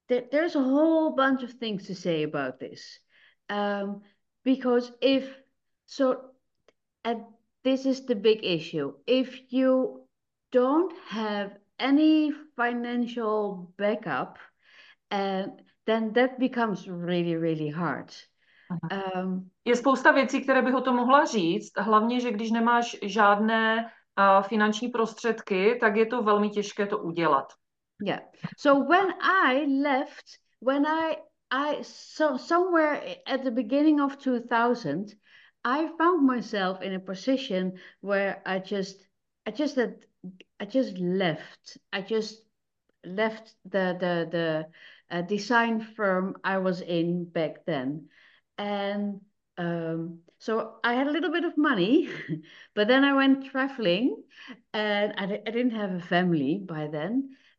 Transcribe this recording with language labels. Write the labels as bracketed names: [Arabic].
[English] There's a whole bunch of things to say about this. Because if, so, and this is the big issue. If you don't have any financial backup, then that becomes really, really hard. [Czech] Je spousta věcí, které bych o tom mohla říct, hlavně, že když nemáš žádné finanční prostředky, tak je to velmi těžké to udělat. [English] Yeah. So when I left, when I so somewhere at the beginning of 2000, I found myself in a position where I just left the design firm I was in back then, and so I had a little bit of money, but then I went traveling, and I didn't have a family by then.